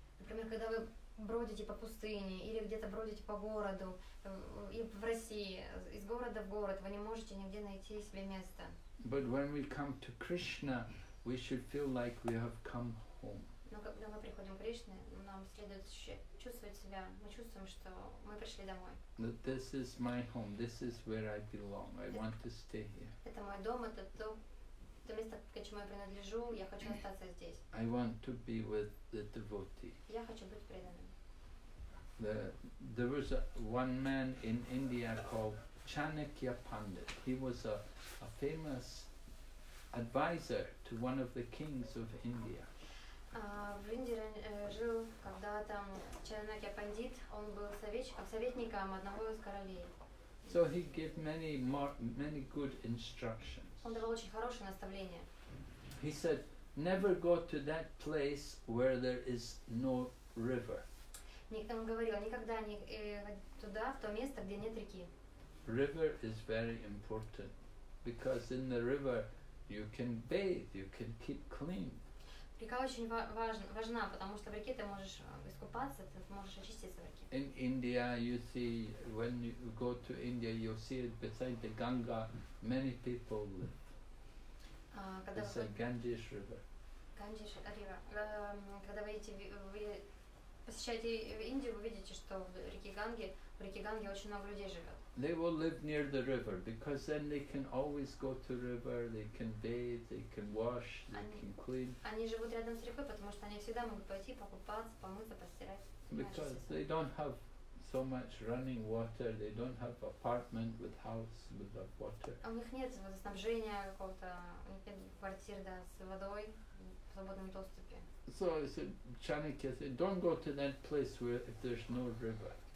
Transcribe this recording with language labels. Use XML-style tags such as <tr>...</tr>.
<ru>Например, когда вы бродите по пустыне или где-то бродите по городу и в России, из города в город, вы не можете нигде найти себе место.</ru> <en>But when we come to Krishna, we should feel like we have come home.</en> <ru>Но когда мы приходим к Кришне, нам следует чувствовать себя, мы чувствуем, что мы пришли домой.</ru> <en>This is my home, this is where I belong, I want to stay here.</en> <ru>Это мой дом, это то, то место, к чему я принадлежу, я хочу остаться здесь.</ru> <en>I want to be with the devotee.</en> <ru>Я хочу быть преданным.</ru> <en>There was one man in India called Chanakya Pandit. He was a famous advisor to one of the kings of India.</en> <ru>В Индии жил когда-то Чанакья Пандит. Он был советником одного из королей.</ru> <en>So he gave many good instructions.</en> <ru>Он давал очень хорошие наставления.</ru> <en>He said, never go to that place where there is no river.</en> <ru>Он говорил, никогда не туда, в то место, где нет реки.</ru> <en>River is very important, because in the river you can bathe, you can keep clean.</en> <ru>Река очень важна, потому что в реке ты можешь искупаться, ты можешь очиститься в реке.</ru> <en>In India, you see, when you go to India, you see it beside the Ganga, many people live.</en> <ru>Когда</ru> <en>it's like Ganges River. Ganges River.</en> <ru>Когда вы посещаете Индию, вы видите, что в реке Ганге очень много людей живет.</ru> <en>They will live near the river, because then they can always go to the river, they can bathe, they can wash, they can clean.</en> <ru>Они живут рядом с рекой, потому что они всегда могут пойти покупаться, помыться, постирать.</ru> <en>Because they don't have so much running water, they don't have apartment with house without water.</en> <ru>У них нет водоснабжения какого-то, нет квартир, да, с водой в свободном доступе.</ru> <en>So I said, Chanakya said, don't go to that place where if there's no river.</en>